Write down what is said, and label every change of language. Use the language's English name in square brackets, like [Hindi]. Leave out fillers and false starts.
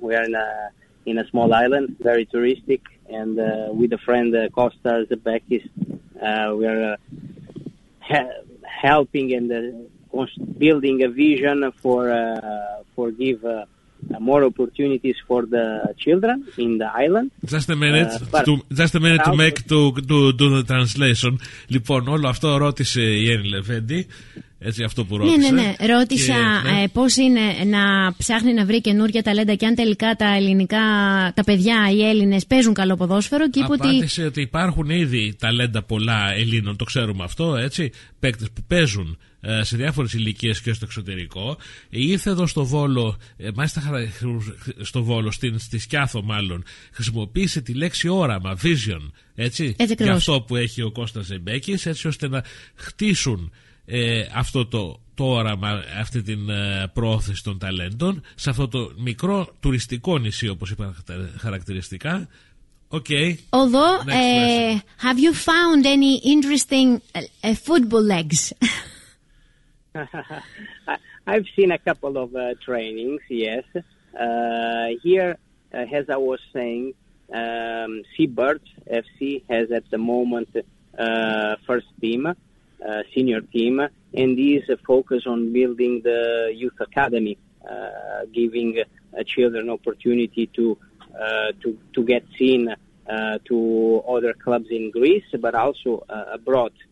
[English] We are in a small island, very touristic, and with a friend, Costa Zebekis, we are helping and building a vision for give more opportunities for the children in the island. Just a minute to do the translation. [Greek] Λοιπόν, όλο αυτό ρώτησε η Έννη Λεβέντη, έτσι αυτό που ρώτησε. Ναι. Ρώτησα πώς είναι να ψάχνει να βρει καινούργια ταλέντα και αν τελικά τα ελληνικά, τα παιδιά, οι Έλληνες παίζουν καλό ποδόσφαιρο. Και απάντησε ότι υπάρχουν ήδη ταλέντα πολλά Ελλήνων, το ξέρουμε αυτό, έτσι, παίκτες που παίζουν σε διάφορες ηλικίες και στο εξωτερικό. Ήρθε εδώ στο Βόλο, μάλιστα στο Βόλο, στη Σκιάθο μάλλον, χρησιμοποίησε τη λέξη όραμα, vision, έτσι, για αυτό που έχει ο Κώστας Ζεμπέκης, έτσι ώστε να χτίσουν αυτό το όραμα, αυτή την πρόθεση των ταλέντων σε αυτό το μικρό τουριστικό νησί, όπως είπα χαρακτηριστικά. [English] Okay. Although, have you found any interesting football legs? I've seen a couple of trainings, yes. Here, as I was saying, Seabirds FC has at the moment first team, senior team, and is focused on building the youth academy, giving children opportunity to get seen to other clubs in Greece, but also abroad.